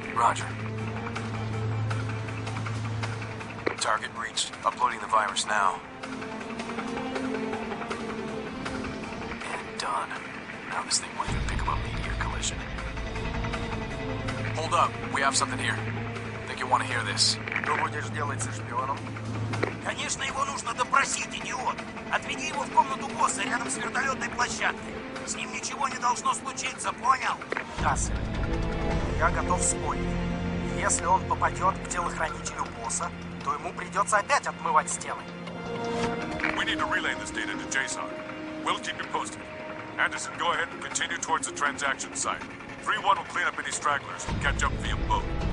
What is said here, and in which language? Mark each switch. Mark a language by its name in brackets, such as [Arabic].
[English] Roger. Target reached. Uploading the virus now. And done. Now this thing won't even pick up a meteor collision. Hold up. We have something here. I think you want to hear this. [Russian] Что будешь делать со шпионом? Конечно, его нужно допросить, идиот. Отведи его в комнату босса рядом с вертолетной площадкой. С ним ничего не должно случиться, понял? Да, сэр. Я готов спорить. Если он попадет к телохранителю босса, то ему придется опять отмывать стены. [English] We need to relay this data to JSON. We'll keep you posted. Anderson, go ahead and continue towards the transaction site. 3-1 will clean up any stragglers and catch up via boat.